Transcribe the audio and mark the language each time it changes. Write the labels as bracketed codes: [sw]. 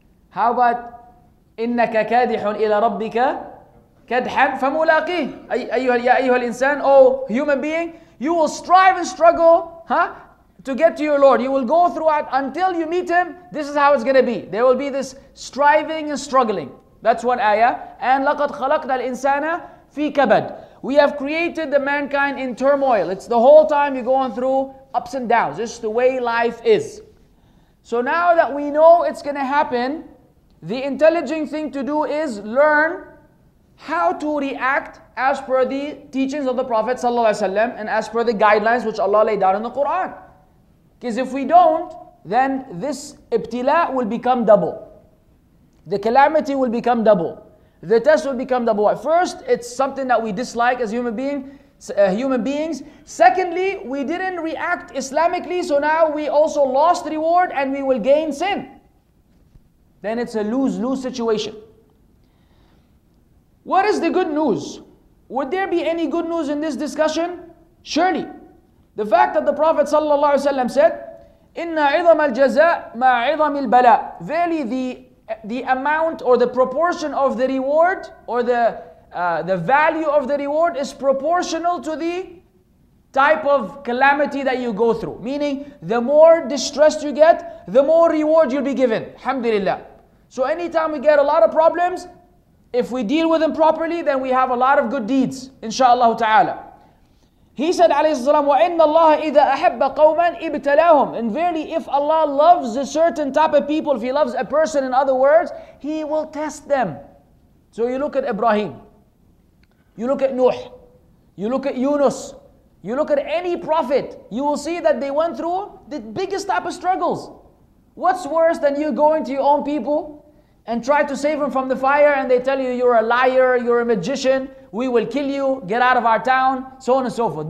[en] How about [ar] إِنَّكَ كَادِحٌ إِلَى رَبِّكَ كَدْحًا فَمُلَاقِهِ أيها الإنسان, [en] oh human being, you will strive and struggle, huh, to get to your Lord. You will go throughout until you meet Him. This is how it's going to be. There will be this striving and struggling. That's one ayah. [ar] And لَقَدْ خَلَقْنَا الْإِنسَانَ فِي كَبَدٍ. [en] We have created the mankind in turmoil. It's the whole time you're going through ups and downs. This is the way life is. So now that we know it's going to happen, the intelligent thing to do is learn how to react as per the teachings of the Prophet ﷺ and as per the guidelines which Allah laid down in the Quran. Because if we don't, then this ibtila will become double. The calamity will become double. The test will become double. At first, it's something that we dislike as human beings. Secondly, we didn't react Islamically, so now we also lost reward and we will gain sin. Then it's a lose-lose situation. What is the good news? Would there be any good news in this discussion? Surely. The fact that the Prophet ﷺ said, [ar] إِنَّ عِظَمَ الْجَزَاءِ مَا عِظَمِ الْبَلَاءِ. [en] Verily, the amount or the proportion of the reward or the value of the reward is proportional to the type of calamity that you go through. Meaning, the more distressed you get, the more reward you'll be given. Alhamdulillah. So anytime we get a lot of problems, if we deal with them properly, then we have a lot of good deeds, inshaAllah ta'ala. He said, alayhi salam, [ar] وَإِنَّ اللَّهَ إِذَا أَحَبَّ قَوْمًا إِبْتَلَاهُمْ. [en] And verily, if Allah loves a certain type of people, if He loves a person, in other words, He will test them. So you look at Ibrahim. You look at Nuh. You look at Yunus. You look at any prophet. You will see that they went through the biggest type of struggles. What's worse than you going to your own people and try to save them from the fire and they tell you you're a liar, you're a magician, we will kill you, get out of our town, so on and so forth.